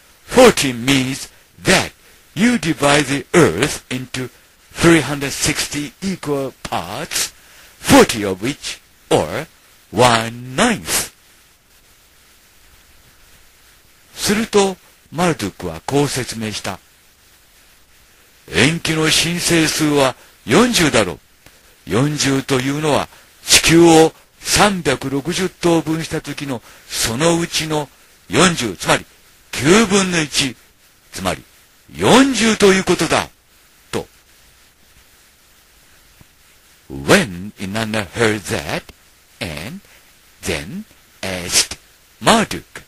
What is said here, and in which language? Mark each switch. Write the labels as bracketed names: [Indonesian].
[English] 40 means that you divide the earth into 360 equal parts, 40 of which, or one-ninth. [Japanese] すると、マルドゥクはこう説明した。 Enki の神聖数は40だろう。 40というのは地球を360等分した時のそのうちの40、つまり9分の1、つまり40ということだ、と。 [English] When Inanna heard that, and then asked Marduk,